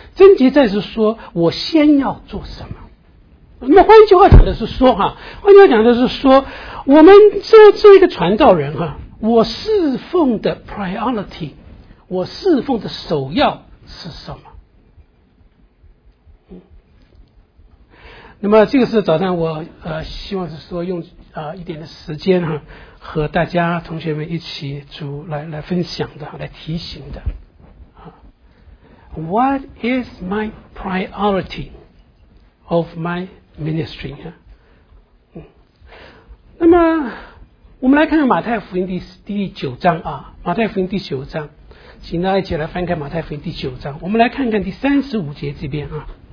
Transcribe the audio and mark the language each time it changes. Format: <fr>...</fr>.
<zh>症结在是说我先要做什么。那么换句话讲的是说哈，换句话讲的是说，我们做一个传道人哈，我侍奉的 priority， 我侍奉的首要是什么？那么这个是早上我希望是说用一点的时间哈，和大家同学们一起主来分享的，来提醒的。</zh> <en>What is my priority of my ministry？</en> <zh>那么我们来看看马太福音第九章啊，马太福音第九章，请大家一起来翻开马太福音第九章，我们来看看第35节这边啊。</zh>